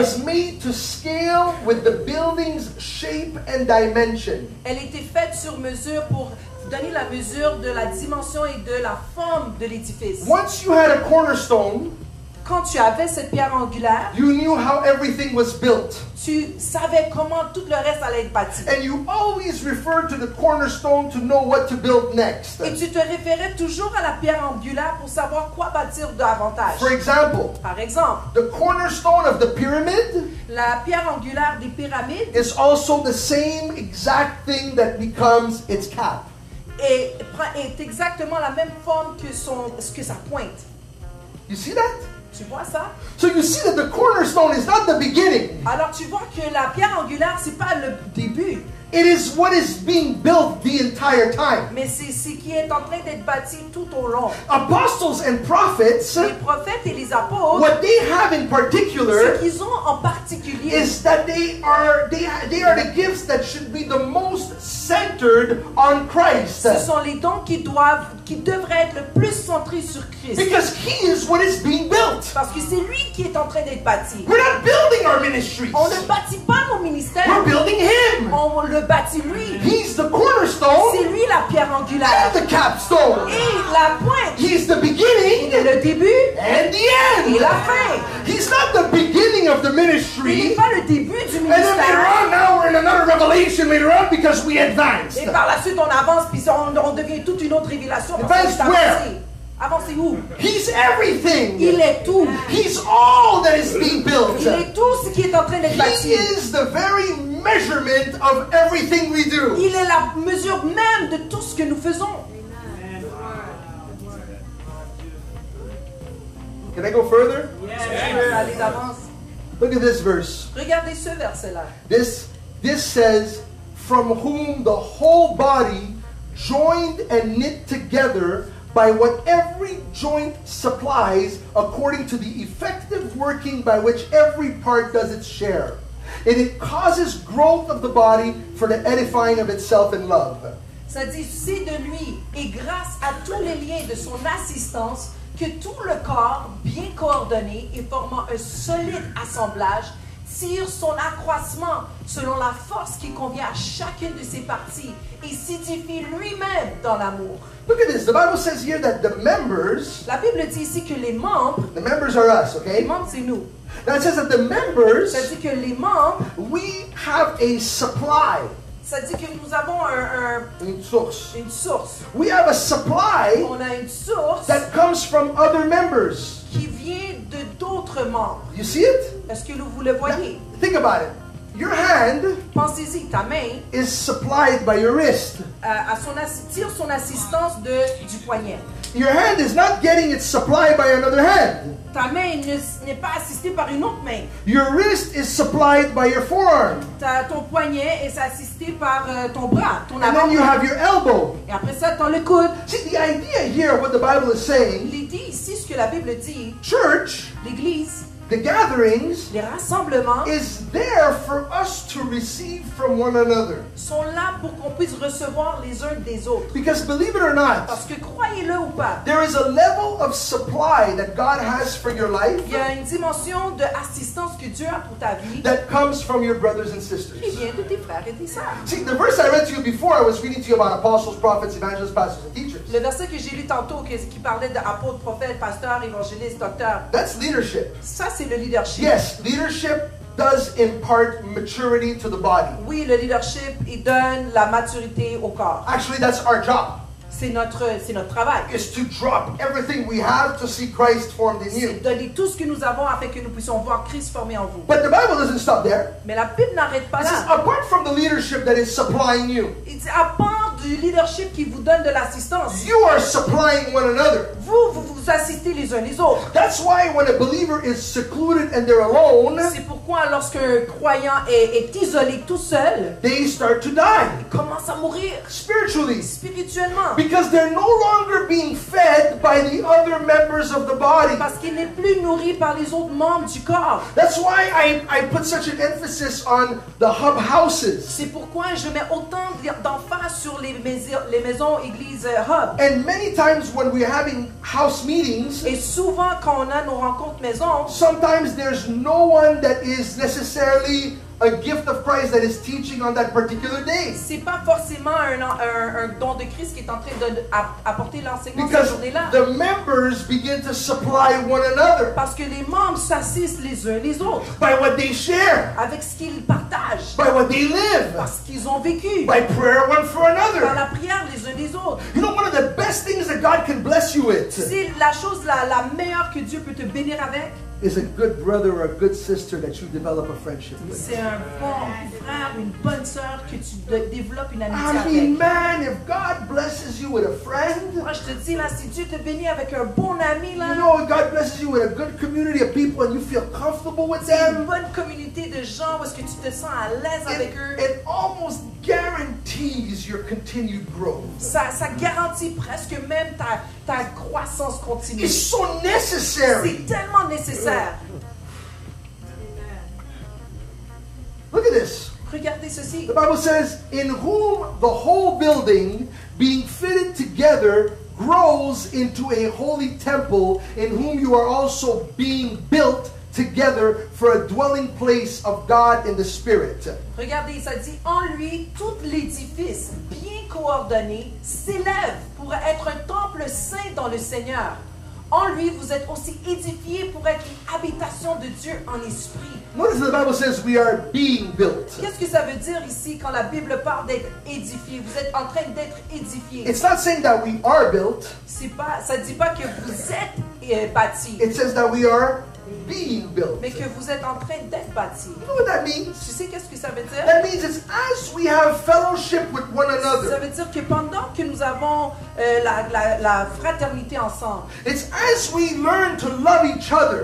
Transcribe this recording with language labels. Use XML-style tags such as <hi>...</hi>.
<en>was made to scale with the building's shape and dimension.</en> <fr>Elle était faite sur mesure pour donner la mesure de la dimension et de la forme de l'édifice.</fr> <en>Once you had a cornerstone,</en> <fr>quand tu avais cette pierre angulaire,</fr> <en>you knew how everything was built.</en> <fr>Tu savais comment tout le reste allait être bâti.</fr> <en>And you always referred to the cornerstone to know what to build next.</en> <fr>Et tu te référais toujours à la pierre angulaire pour savoir quoi bâtir davantage.</fr> <en>For example,</en> <fr>par exemple,</fr> <en>the cornerstone of the pyramid,</en> <fr>la pierre angulaire des pyramides,</fr> <en>is also the same exact thing that becomes its cap.</en> <fr>Et est exactement la même forme que son ce que sa pointe.</fr> <en>You see that?</en> <fr>Tu vois ça?</fr> <en>So you see that the cornerstone is not the beginning.</en> <fr>Alors tu vois que la pierre angulaire c'est pas le début.</fr> <en>It is what is being built the entire time.</en> <fr>Mais c'est ce qui est en train d'être bâti tout au long.</fr> <en>Apostles and prophets.</en> <fr>Les prophètes et les apôtres.</fr> <en>What they have in particular.</en> <fr>Ce qu'ils ont en particulier.</fr> <en>Is that they are the gifts that should be the most centered on Christ.</en> <fr>Ce sont les dons qui doivent qui devrait être le plus centré sur Christ.</fr> <en>Because he is what is being built.</en> <fr>Parce que c'est lui qui est en train d'être bâti.</fr> <en>We're not building our ministries.</en> <fr>On ne bâtit pas nos ministères.</fr> <en>We're building him.</en> <fr>On le bâtit lui.</fr> <en>He's the cornerstone.</en> <fr>C'est lui la pierre angulaire.</fr> <en>And the capstone.</en> <fr>Et la pointe.</fr> <en>He's the beginning.</en> <fr>Il est le début.</fr> <en>And the end.</en> <fr>Et la fin.</fr> <en>He's not the beginning of the ministry.</en> <fr>Il n'est pas le début du ministère.</fr> <en>And then later on, now we're in another revelation later on because we advanced.</en> <fr>Et par la suite, on avance puis on devient toute une autre révélation.</fr> <en>Advanced where? He's everything.</en> <fr>Il est tout.</fr> <en>He's all that is being built.</en> <fr>Il est tout ce qui est en train d'être bâti.</fr> <en>He is the very measurement of everything we do.</en> <fr>Il est la mesure même de tout ce que nous faisons.</fr> <en>Can I go further? Yes. Look at this verse.</en> <fr>Regardez ce verset-là.</fr> <en>This says, from whom the whole body joined and knit together by what every joint supplies according to the effective working by which every part does its share. And it causes growth of the body for the edifying of itself in love.</en> <fr>Ça dit, c'est de lui et grâce à tous les liens de son assistance que tout le corps, bien coordonné et formant un solide assemblage, tire son accroissement selon la force qui convient à chacune de ses parties et s'édifie lui-même dans l'amour.</fr> <en>Look at this. The Bible says here that the members.</en> <fr>La Bible dit ici que les membres.</fr> <en>The members are us, okay?</en> <fr>Les membres, c'est nous.</fr> <en>That says that the members.</en> <fr>Ça dit que les membres.</fr> <en>We have a supply.</en> <fr>Ça dit que nous avons une source. Une source.</fr> <en>We have a supply.</en> <fr>On a une source.</fr> <en>That comes from other members.</en> <fr>Qui vient de d'autres membres.</fr> <en>You see it?</en> <fr>Est-ce que vous le voyez?</fr> <en>Now, think about it. Your hand</en> <fr>pensez-y, ta main</fr> <en>is supplied by your wrist.</en> <fr>Tire son assistance du poignet.</fr> <en>Your hand is not getting its supply by another hand.</en> <fr>Ta main n'est pas assistée par une autre main.</fr> <en>Your wrist is supplied by your forearm.</en> <fr>Ton poignet est assisté par ton bras, ton avant-bras.</fr> <en>And then you have your elbow.</en> <fr>Et après ça, t'as le coude.</fr> <en>See, the idea here, what the Bible is saying,</en> <fr>l'idée ici, ce que la Bible dit,</fr> <en>church,</en> <fr>l'église,</fr> <en>the gatherings,</en> <fr>les rassemblements,</fr> <en>is there for us to receive from one another.</en> <fr>Sont là pour qu'on puisse recevoir les uns des autres.</fr> <en>Because believe it or not,</en> <fr>parce que croyez-le ou pas,</fr> <en>there is a level of supply that God has for your life.</en> <fr>Il y a une dimension de assistance que Dieu a pour ta vie.</fr> <en>That comes from your brothers and sisters.</en> <fr>Qui vient de tes frères et tes sœurs.</fr> <en>See, the verse I read to you before, I was reading to you about apostles, prophets, evangelists, pastors, and teachers.</en> <fr>Le verset que j'ai lu tantôt qui parlait d'apôtres, prophètes, pasteurs, évangélistes, docteurs.</fr> <en>That's leadership.</en> <fr>Ça, c'est le leadership.</fr> <en>Yes, leadership does impart maturity to the body.</en> <fr>Oui, le leadership il donne la maturité au corps.</fr> <en>Actually, that's our job.</en> <fr>C'est notre travail.</fr> <en>Is to drop everything we have to see Christ formed in you.</en> <fr>C'est donner tout ce que nous avons afin que nous puissions voir Christ formé en vous.</fr> <en>But the Bible doesn't stop there.</en> <fr>Mais la Bible n'arrête pas là.</fr> <en>It says, apart from the leadership that is supplying you.</en> <fr>Il dit à part du leadership qui vous donne de l'assistance.</fr> <en>You are supplying one another.</en> <fr>Vous assistez les uns les autres.</fr> <en>That's why when a believer is secluded and they're alone.</en> <fr>C'est pourquoi lorsque un croyant est isolé tout seul.</fr> <en>They start to die.</en> <fr>Ils commencent à mourir.</fr> <en>Spiritually.</en> <fr>Spirituellement.</fr> <en>Because they're no longer being fed by the other members of the body.</en> <fr>Parce qu'il n'est plus nourri par les autres membres du corps.</fr> <en>That's why I put such an emphasis on the hub houses.</en> <fr>C'est pourquoi je mets autant d'emphase sur les maisons églises hub.</fr> <en>And many times when we're having house meetings,</en> <fr>et souvent quand on a nos rencontres maison,</fr> <en>sometimes there's no one that is necessarily a gift of Christ that is teaching on that particular day.</en> <fr>C'est pas forcément un don de Christ qui est en train d'apporter l'enseignement cette journée-là.</fr> <en>The members begin to supply one another.</en> <fr>Parce que les membres s'assistent les uns les autres.</fr> <en>By what they share.</en> <fr>Avec ce qu'ils partagent.</fr> <en>By what they live.</en> <fr>Parce qu'ils ont vécu.</fr> <en>By prayer one for another.</en> <fr>Par la prière les uns les autres.</fr> <en>You know one of the best things that God can bless you with.</en> <fr>C'est la chose la meilleure que Dieu peut te bénir avec.</fr> <en>Is a good brother or a good sister that you develop a friendship with.</en> <fr>C'est un bon frère, une bonne sœur que tu développes une amitié avec.</fr> <en>I mean, man, if God blesses you with a friend,</en> <fr>moi je te dis là, si Dieu te bénit avec un bon ami là,</fr> <en>you know, if God blesses you with a good community of people and you feel comfortable with them,</en> <fr>une bonne communauté de gens où est-ce que tu te sens à l'aise avec eux,</fr> <en>it almost guarantees your continued growth.</en> <fr>Ça garantit presque même ta croissance continue.</fr> <en>It's so necessary.</en> <fr>C'est tellement nécessaire.</fr> <en>Look at this.</en> <fr>Regardez ceci.</fr> <en>The Bible says, in whom the whole building being fitted together grows into a holy temple, in whom you are also being built together for a dwelling place of God in the Spirit.</en> <fr>Regardez, ça dit, en lui, tout l'édifice bien coordonné s'élève pour être un temple saint dans le Seigneur. En lui, vous êtes aussi édifiés pour être une habitation de Dieu en esprit.</fr> <en>Notice the Bible says we are being built.</en> <fr>Qu'est-ce que ça veut dire ici quand la Bible parle d'être édifié? Vous êtes en train d'être édifié.</fr> <en>It's not saying that we are built.</en> <fr>Ça ne dit pas que vous êtes bâti.</fr> <en>It says that we are being built.</en> <fr>Mais que vous êtes en train d'être bâti.</fr> <en>You know what that means?</en> <fr>Tu sais qu'est-ce que ça veut dire?</fr> <en>That means it's as we have fellowship with one another.</en> <fr>Ça veut dire que pendant que nous avons la fraternité ensemble.</fr> <en>It's as we learn to love each other.</en>